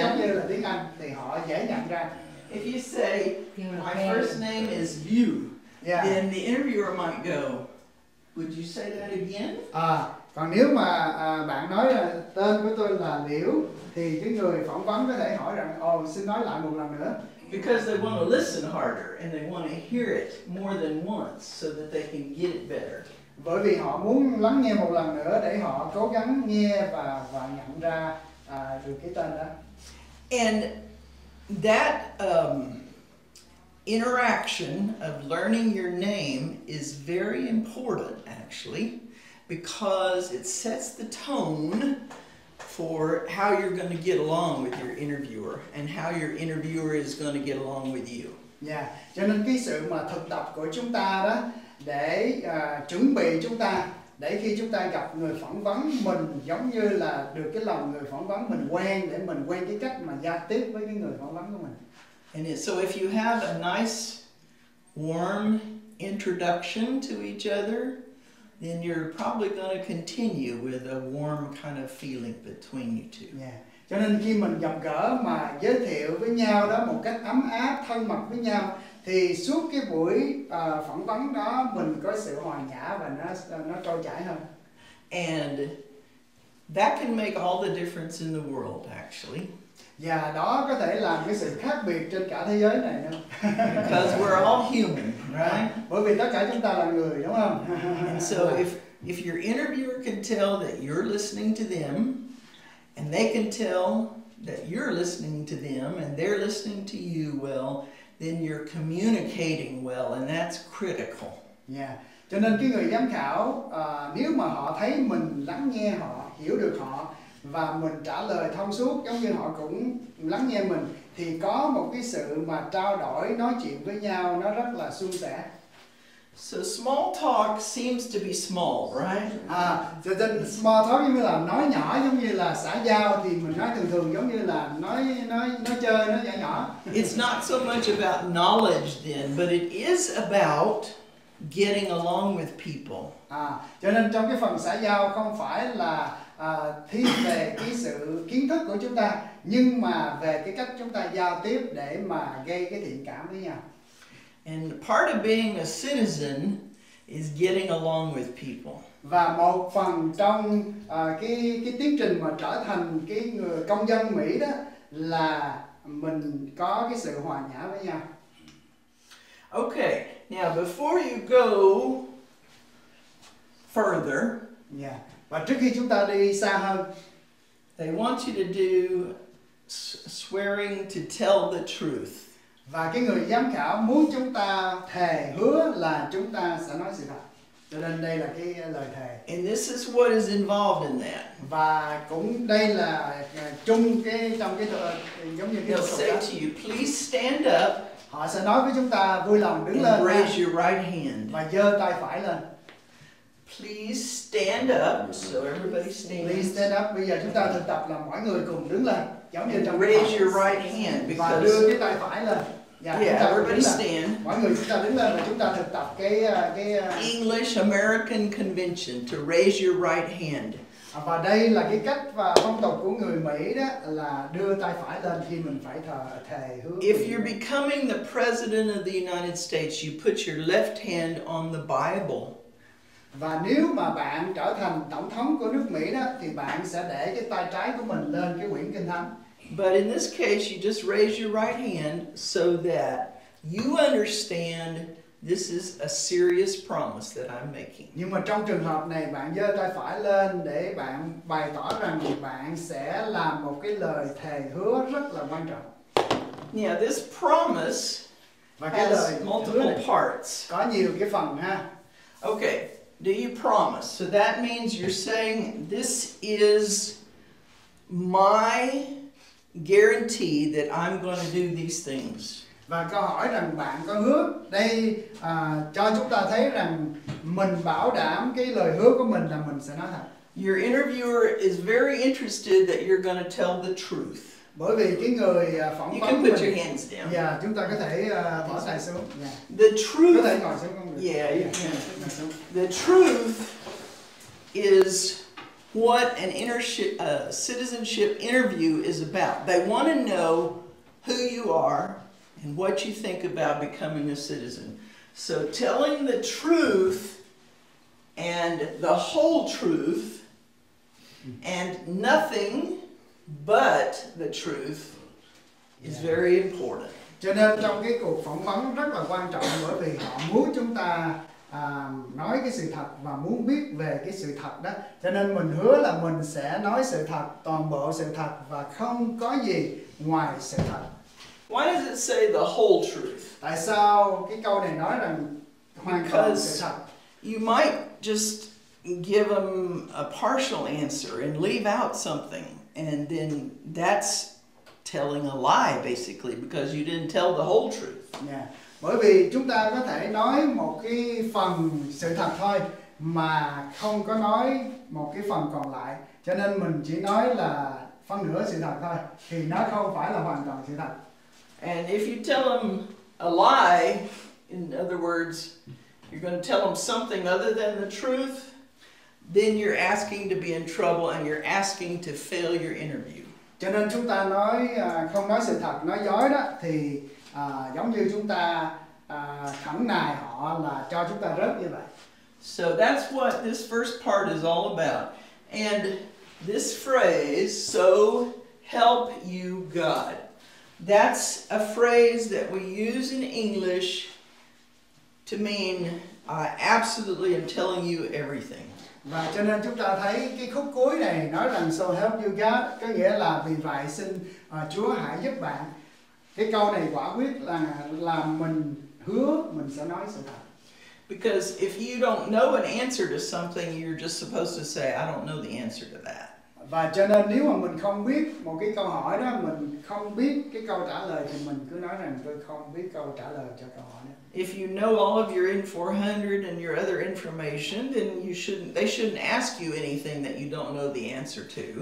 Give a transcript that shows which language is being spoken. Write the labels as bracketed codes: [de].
[vi] giống như là tiếng Anh, thì họ dễ nhận ra. [en] If you say my first name is Vu, yeah, then the interviewer might go, "Would you say that again?" [vi] Còn nếu mà bạn nói là tên của tôi là Liễu, thì cái người phỏng vấn có thể hỏi rằng, xin nói lại một lần nữa. [en] Because they want to listen harder and they want to hear it more than once so that they can get it better. [vi] Bởi vì họ muốn lắng nghe một lần nữa để họ cố gắng nghe và nhận ra được cái tên đó. [en] And that interaction of learning your name is very important, actually, because it sets the tone for how you're going to get along with your interviewer and how your interviewer is going to get along with you. [vi] Yeah, cho nên cái sự mà thực tập của chúng ta đó để chuẩn bị chúng ta để khi chúng ta gặp người phỏng vấn mình giống như là được cái lòng người phỏng vấn mình quen để mình quen cái cách mà giao tiếp với cái người phỏng vấn của mình. [en] And so if you have a nice warm introduction to each other, then you're probably going to continue with a warm kind of feeling between you two. Yeah. [vi] Cho nên khi mình gặp gỡ mà giới thiệu với nhau đó một cách ấm áp, thân mật với nhau thì suốt cái buổi phỏng vấn đó mình có sự hòa nhã và nó trôi chảy hơn. [en] And that can make all the difference in the world, actually. [vi] Và đó có thể làm cái sự khác biệt trên cả thế giới này. [en] Because we're all human, right? [vi] Bởi vì tất cả chúng ta là người, đúng không? [en] And so if your interviewer can tell that you're listening to them, and they can tell that you're listening to them, and they're listening to you well, then you're communicating well, and that's critical. Yeah. [vi] Cho nên cái người giám khảo, nếu mà họ thấy mình lắng nghe họ, hiểu được họ, và mình trả lời thông suốt giống như họ cũng lắng nghe mình, thì có một cái sự mà trao đổi, nói chuyện với nhau, nó rất là suôn sẻ. [en] So small talk seems to be small, right? [vi] Cho nên small talk giống như là nói nhỏ, giống như là xã giao thì mình nói thường thường giống như là nói chơi, nói nhỏ nhỏ. [en] It's not so much about knowledge then, but it is about getting along with people. [vi] Cho nên trong cái phần xã giao không phải là thiên về cái sự kiến thức của chúng ta, nhưng mà về cái cách chúng ta giao tiếp để mà gây cái thiện cảm với nhau. [en] And part of being a citizen is getting along with people. [vi] Và một phần trong cái tiến trình mà trở thành cái người công dân Mỹ đó là mình có cái sự hòa nhã với nhau. [en] Okay, now before you go further, [vi] yeah, và trước khi chúng ta đi xa hơn, [en] they want you to do swearing to tell the truth. [vi] Và cái người giám khảo muốn chúng ta thề hứa là chúng ta sẽ nói sự thật. Cho nên đây là cái lời thề. [en] And this is what is involved in that. [vi] Và cũng đây là chung cái trong cái giống như [en] they'll say to you, please stand up. [vi] Họ sẽ nói với chúng ta vui lòng đứng [en] and [vi] lên. [en] Raise your right hand. [vi] Và giơ tay phải lên. [en] Please stand up. So everybody stands. Please stand up. [vi] Bây giờ chúng ta thực tập là mọi người cùng đứng lên. [en] And raise your right hand because [vi] đưa cái tay phải lên. [en] Yeah, yeah, everybody stand. [vi] Mọi người chúng ta đứng lên và chúng ta thực tập cái [en] English American convention to raise your right hand. [vi] Và đây là cái cách và phong tục của người Mỹ đó là đưa tay phải lên khi mình phải thề hứa. [en] If you're becoming the president of the United States, you put your left hand on the Bible. [vi] Và nếu mà bạn trở thành tổng thống của nước Mỹ đó thì bạn sẽ để cái tay trái của mình lên cái quyển kinh thánh. [en] But in this case you just raise your right hand so that you understand this is a serious promise that I'm making. [vi] Nhưng mà trong trường hợp này bạn giơ tay phải lên để bạn bày tỏ rằng bạn sẽ làm một cái lời thề hứa rất là quan trọng. [en] Now this promise has multiple parts. [vi] Có nhiều cái phần ha. [en] Okay. Do you promise? So that means you're saying this is my guarantee that I'm going to do these things. [vi] Và câu hỏi rằng bạn có hứa đây cho chúng ta thấy rằng mình bảo đảm cái lời hứa của mình là mình sẽ nói thật. [en] Your interviewer is very interested that you're going to tell the truth. [vi] Bởi vì cái người phỏng vấn [en] you can put your hands down. [vi] Yeah, chúng ta có thể bỏ tay xuống. [en] Yeah. The truth. [vi] Có thể ngồi xuống không? [en] Yeah, yeah. The truth is what an citizenship interview is about. They want to know who you are and what you think about becoming a citizen. So telling the truth and the whole truth and nothing but the truth is very important. [vi] Cho nên trong cái cuộc phỏng vấn rất là quan trọng bởi vì họ muốn chúng ta nói cái sự thật và muốn biết về cái sự thật đó. Cho nên mình hứa là mình sẽ nói sự thật, toàn bộ sự thật và không có gì ngoài sự thật. [en] Why does it say the whole truth? [vi] Tại sao cái câu này nói rằng hoàn toàn sự thật? [en] You might just give them a partial answer and leave out something. And then that's telling a lie, basically, because you didn't tell the whole truth. Yeah. [vi] Bởi vì chúng ta có thể nói một cái phần sự thật thôi mà không có nói một cái phần còn lại. Cho nên mình chỉ nói là phân nửa sự thật thôi. Thì nó không phải là hoàn toàn sự thật. [en] And if you tell them a lie, in other words, you're going to tell them something other than the truth, then you're asking to be in trouble and you're asking to fail your interview. [vi] Cho nên chúng ta nói không nói sự thật, nói dối đó thì giống như chúng ta khẳng nài họ là cho chúng ta rớt như vậy. [en] So that's what this first part is all about. And this phrase, so help you God. That's a phrase that we use in English to mean absolutely I'm telling you everything. [vi] Và cho nên chúng ta thấy cái khúc cuối này nói rằng [en] so help you God [vi] có nghĩa là vì vậy xin Chúa hãy giúp bạn. Cái câu này quả quyết là mình hứa mình sẽ nói sự thật. [en] Because if you don't know an answer to something, you're just supposed to say I don't know the answer to that. [vi] Và cho nên nếu mà mình không biết một cái câu hỏi đó, mình không biết cái câu trả lời thì mình cứ nói rằng tôi không biết câu trả lời cho câu hỏi đó. [en] If you know all of your in 400 and your other information, then they shouldn't ask you anything that you don't know the answer to.